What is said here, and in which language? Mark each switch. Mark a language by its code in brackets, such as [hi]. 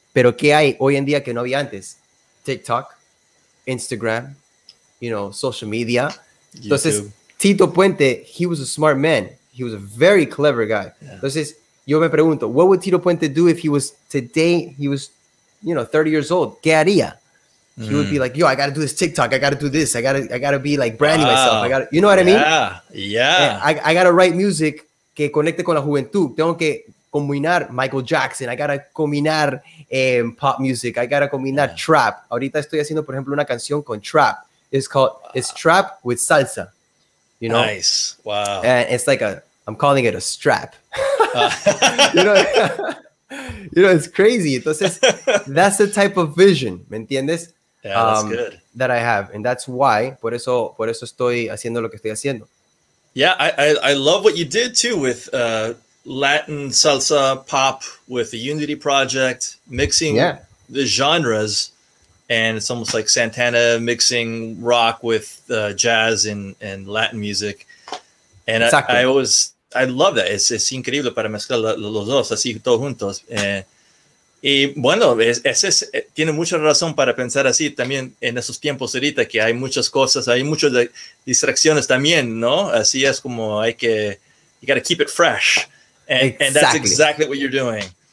[es] ¿Pero qué hay hoy en día que no había antes? [en] TikTok, Instagram, you know, social media. YouTube. Entonces, Tito Puente, he was a smart man. He was a very clever guy. Yeah. [es] Entonces, yo me pregunto, [en] what would Tito Puente do if he was today, he was, you know, 30 years old? [es] ¿Qué haría? [en] He would be like, yo, I got to do this TikTok. I got to do this. I got to be like branding myself. You know what I mean? Yeah. I got to write music [es] que conecte con la juventud. Tengo que combinar Michael Jackson. [en] I got to combinar pop music. I got to combinar trap. [es] Ahorita estoy haciendo, por ejemplo, una canción con trap. [en] It's trap with salsa. You know? Nice. Wow. And it's like I'm calling it a strap. you know, it's crazy. Entonces, that's the type of vision. [es] ¿Me entiendes? [en] Yeah, that's good. That I have, and that's why. [es] Por eso estoy haciendo lo que estoy haciendo. [en] Yeah, I love what you did too with Latin salsa pop with the Unity Project mixing the genres, and it's almost like Santana mixing rock with jazz and Latin music. And exactly. I love that. [es] It's increíble para mezclar los dos así todos juntos. Y bueno, tiene mucha razón para pensar así también en esos tiempos ahorita que hay muchas cosas, hay muchas distracciones también, ¿no? Así es como hay que, [en] you gotta keep it fresh. And that's exactly what you're doing.